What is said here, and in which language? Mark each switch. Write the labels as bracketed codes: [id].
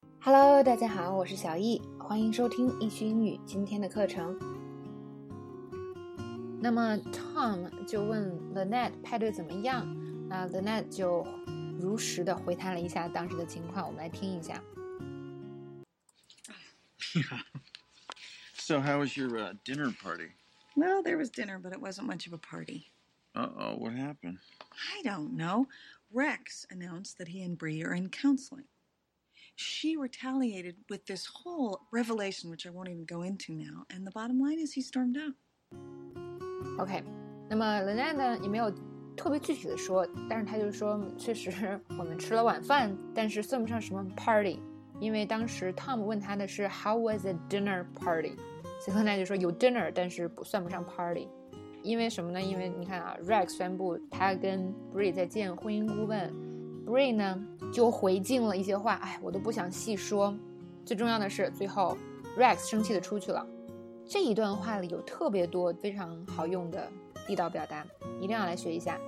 [zh] Hello， 大家好，我是小易，欢迎收听易学英语今天的课程。那么 Tom 就问 Lynette 派对怎么样，那 Lynette 就如实的回谈了一下当时的情况，我们来听一下。 [en] So how was your dinner party? Well, there was dinner, but it wasn't much of a party. Uh-oh, what happened? I don't know. Rex announced that he and Bree are in counseling. She retaliated with this whole revelation, which I won't even go into now, and the bottom line is he stormed out. [zh] Okay, 那么 Lynette 呢也没有特别具体的说，但是她就是说确实我们吃了晚饭，但是算不上什么 party。因为当时 Tom 问他的是 [en] How was a dinner party? [zh] 所以他就说有 dinner 但是不算不上 party。因为什么呢？因为你看啊， Rex 宣布他跟 Bree 在见婚姻顾问， Bree 呢就回敬了一些话，哎，我都不想细说。最重要的是最后 Rex 生气的出去了。这一段话里有特别多非常好用的地道表达，一定要来学一下。